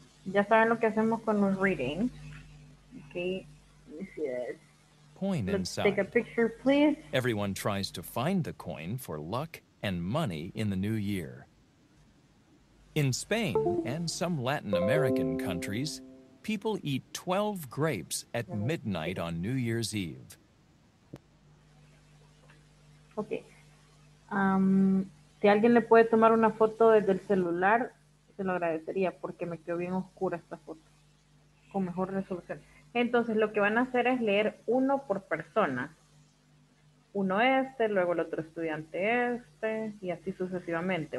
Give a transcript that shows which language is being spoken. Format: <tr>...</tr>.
<es>Ya saben lo que hacemos con los reading.</es> <en>Okay, let me see this. Coin Let's inside. Take a picture, please. Everyone tries to find the coin for luck and money in the new year. In Spain and some Latin American countries, people eat 12 grapes at midnight on New Year's Eve. Okay.</en> <es>Si alguien le puede tomar una foto desde el celular, se lo agradecería porque me quedó bien oscura esta foto, con mejor resolución. Entonces, lo que van a hacer es leer uno por persona. Uno este, luego el otro estudiante este, y así sucesivamente.</es>